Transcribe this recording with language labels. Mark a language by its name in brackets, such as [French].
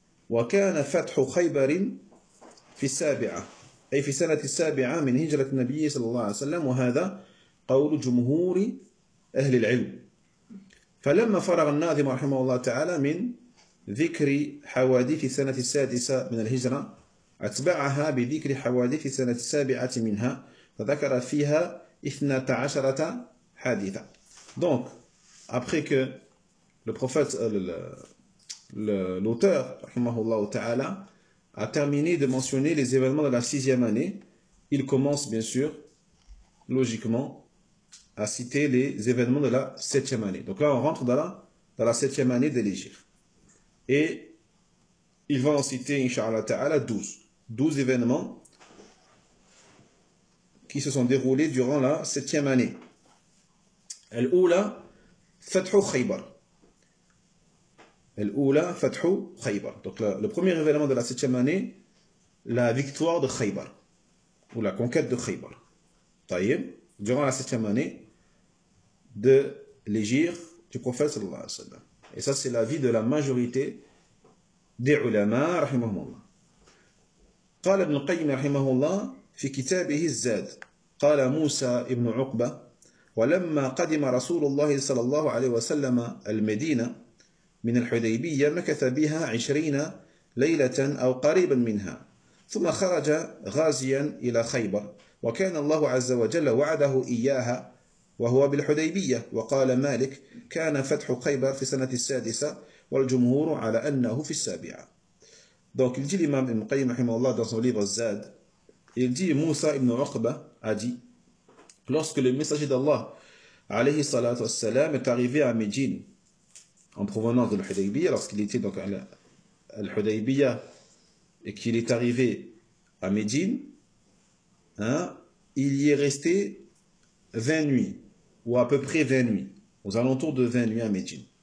[Arabic] وكان فتح خيبر في السابعة، أي في سنة السابعة من هجرة النبي صلى الله عليه وسلم، وهذا قول جمهور أهل العلم. فلما فرغ الناظم رحمه الله تعالى من ذكر حوادث سنة السادسة من الهجرة، أتبعها بذكر حوادث سنة السابعة منها، فذكر فيها 12 حادثة. [French] Donc, après que le prophète, l'auteur, [Arabic] rahimahullah ta'ala, [French] a terminé de mentionner les événements de la sixième année, il commence bien sûr, logiquement, à citer les événements de la septième année. Donc là, on rentre dans la septième année de l'Hijr. Et il va en citer, [Arabic] inshallah ta'ala, [French] 12. 12 événements qui se sont déroulés durant la septième année. [Arabic] الأولى فتح خيبر. الأولى فتح خيبر. [French] Donc le premier événement de la septième année, la victoire de خيبر ou la conquête de خيبر. [Arabic] طيب. [French] Durant la septième année de l'égir du prophète [Arabic] صلى الله عليه وسلم. [French] Et ça c'est l'avis de la majorité des ulama [Arabic] رحمهم الله. قال ابن القيم رحمه الله في كتابه الزاد. قال موسى ابن عقبة ولما قدم رسول الله صلى الله عليه وسلم المدينة من الحديبية مكث بها 20 ليلة أو قريبا منها، ثم خرج غازيا إلى خيبر، وكان الله عز وجل وعده إياها وهو بالحديبية. وقال مالك كان فتح خيبر في سنة السادسة، والجمهور على أنه في السابعة. [French] Donc il dit l'imam Ibn Qayyim [Arabic] رحمه الله [French] dans son livre Zad, il dit Moussa ibn Uqba a dit: lorsque le messager d'Allah, [Arabic] alayhi salatu wassalam, [French] est arrivé à Médine, en provenance de l'Hudaybiyah, lorsqu'il était donc à l'Hudaybiyah, et qu'il est arrivé à Médine, hein, il y est resté 20 nuits, ou à peu près 20 nuits, aux alentours de 20 nuits à Médine.